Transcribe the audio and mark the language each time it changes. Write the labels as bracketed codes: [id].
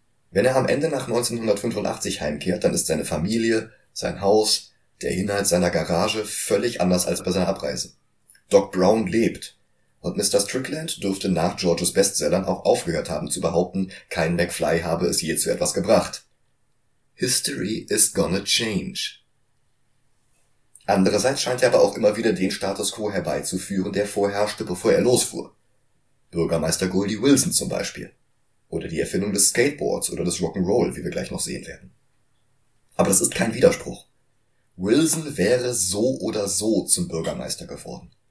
[de] Wenn er am Ende nach 1985 heimkehrt, dann ist seine Familie, sein Haus, der Inhalt seiner Garage völlig anders als bei seiner Abreise. Doc Brown lebt. Und Mr. Strickland dürfte nach Georges Bestsellern auch aufgehört haben zu behaupten, kein McFly habe es je zu etwas gebracht. [en] History is gonna change. [de] Andererseits scheint er aber auch immer wieder den Status quo herbeizuführen, der vorherrschte, bevor er losfuhr. Bürgermeister Goldie Wilson zum Beispiel. Oder die Erfindung des Skateboards oder des Rock'n'Roll, wie wir gleich noch sehen werden. Aber das ist kein Widerspruch. Wilson wäre so oder so zum Bürgermeister geworden.